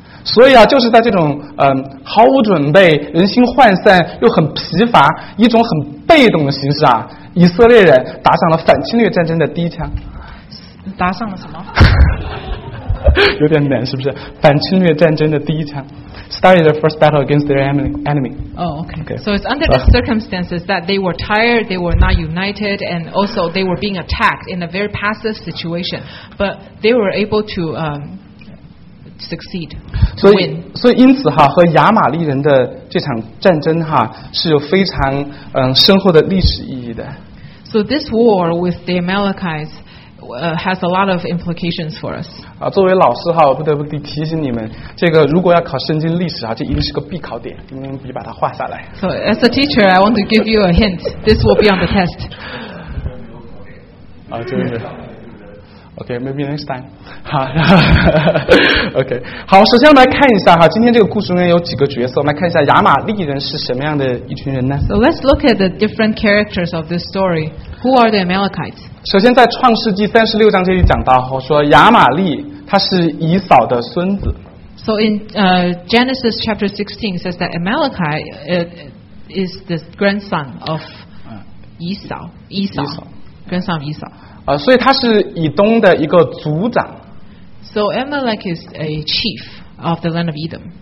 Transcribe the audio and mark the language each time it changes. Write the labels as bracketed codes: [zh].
[zh] 所以啊，就是在这种毫无准备、人心涣散又很疲乏、一种很被动的形式啊，以色列人打上了反侵略战争的第一枪。打上了什么？有点难，是不是？反侵略战争的第一枪 [en] ，started the first battle against their enemy. Oh, okay. So it's under the circumstances that they were tired, they were not united, and also they were being attacked in a very passive situation. But they were able to succeed. [zh] So, 所以因此哈，和亚玛力人的这场战争哈，是有非常深厚的历史意义的。 [en] So this war with the Amalekites. Has a lot of implications for us. [zh] 啊，作为老师哈，我不得不提醒你们，这个如果要考圣经历史啊，这一定是个必考点，你们必须把它画下来。 [en] So as a teacher, I want to give you a hint. This will be on the test. [zh] 啊，真的。 [en] Okay, maybe next time. 好，Okay. [zh] 好，首先我们来看一下哈，今天这个故事里面有几个角色，我们来看一下亚玛力人是什么样的一群人呢 [en] ？So let's look at the different characters of this story. Who are the Amalekites? [zh] 首先在创世纪三十六章这里讲到，说亚玛力他是以扫的孙子。 [en] So in Genesis chapter 16 says that Amalekite is the grandson of Esau. Grandson of Esau. [zh] 所以他是以东的一个族长。 [en] So Amalek is a chief of the land of Edom.